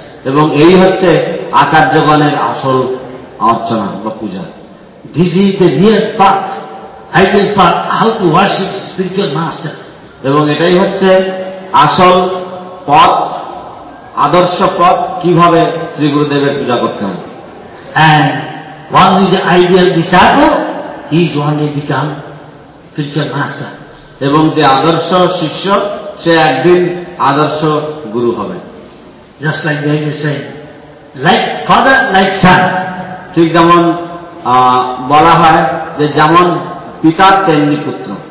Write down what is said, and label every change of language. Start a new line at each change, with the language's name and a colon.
Bangla: এবং এই হচ্ছে আচার্যগণের আসল অর্চনা বা পূজা।
English: this is the real path, ideal path, how to worship spiritual master,
Bangla: এবং এটাই হচ্ছে আসল পথ, আদর্শ পথ, কিভাবে শ্রী গুরুদেবের পূজা করতে হবে।
English: And One who is an ideal disciple, he is one day become spiritual master.
Bangla: এবং যে আদর্শ শিষ্য সে একদিন আদর্শ গুরু হবে.
English: Just like there is a saying, like father, like son.
Bangla: ঠিক যেমন বলা হয় যে যেমন পিতা তেমনি পুত্র.